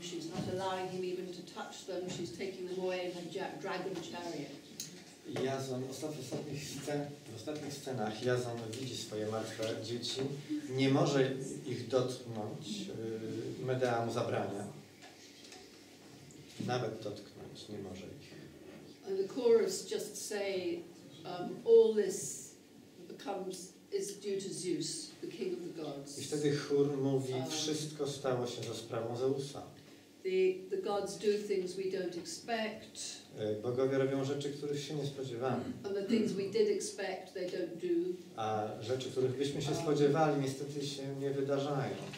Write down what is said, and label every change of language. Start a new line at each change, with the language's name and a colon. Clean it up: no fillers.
English: She's not allowing him even to touch them. She's taking them away in her dragon chariot.
Polish: Jason, w ostatnich scenach Jason widzi swoje martwe dzieci, nie może ich dotknąć, Medea mu zabrania. Nawet dotknąć nie może ich.
English: And the chorus just say, all this becomes is due to Zeus, the king of the gods.
Polish: I wtedy chór mówi, wszystko stało się za sprawą Zeusa.
English: The gods do things we don't expect.
Polish: Bogowie robią rzeczy, których się nie spodziewamy.
English: And the things we did expect, they don't do.
Polish: A rzeczy, których byśmy się spodziewali, niestety się nie wydarzają.